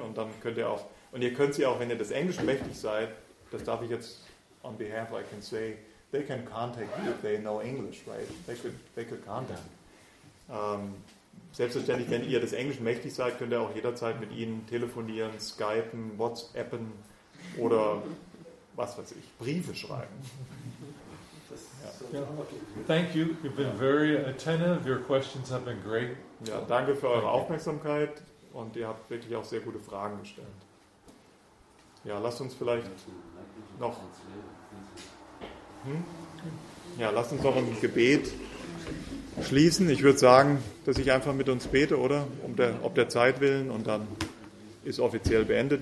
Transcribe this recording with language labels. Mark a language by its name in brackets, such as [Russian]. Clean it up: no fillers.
[German] Und dann könnt ihr auch, und ihr könnt sie auch, wenn ihr das Englisch mächtig seid, das darf ich jetzt [English] on behalf, I can say, they can contact you if they know English, right? They could contact you. [German] Selbstverständlich, wenn ihr das Englisch mächtig seid, könnt ihr auch jederzeit mit ihnen telefonieren, skypen, whatsappen oder was weiß ich, Briefe schreiben. Ja. [English] Thank you, you've been very attentive, your questions have been great. [German] Ja, danke für eure Aufmerksamkeit und ihr habt wirklich auch sehr gute Fragen gestellt. Ja, lasst uns vielleicht noch lasst uns noch ein Gebet schließen. Ich würde sagen, dass ich einfach mit uns bete, oder? Ob der Zeit willen, und dann ist offiziell beendet.